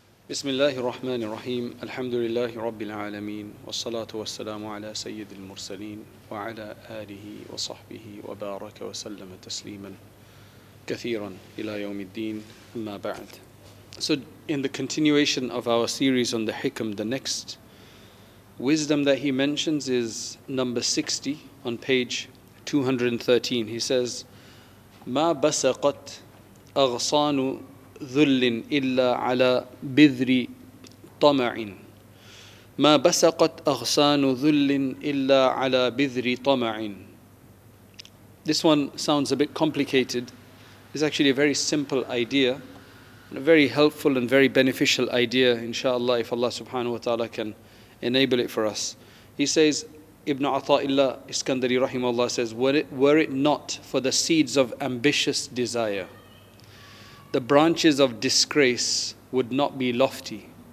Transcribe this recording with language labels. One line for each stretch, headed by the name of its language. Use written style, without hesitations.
Arabic: بسم الله الرحمن الرحيم الحمد لله رب العالمين والصلاة والسلام على سيد المرسلين وعلى آله وصحبه وبارك وسلم تسليما كثيرا إلى يوم الدين أما بعد.
English: So in the continuation of our series on the Hikam, the next wisdom that he mentions is number 60 on page 213. He says,
Arabic: ما بسقت أغصان ذل إلا على بذر طمع ما بسقت أغصان ذل إلا على بذر طمع.
English: This one sounds a bit complicated. It's actually a very simple idea, a very helpful and very beneficial idea, inshallah, if Allah subhanahu wa ta'ala can enable it for us. He says, Ibn Ata'illah Iskandari rahimahullah says, were it not for the seeds of ambitious desire, the branches of disgrace would not be lofty.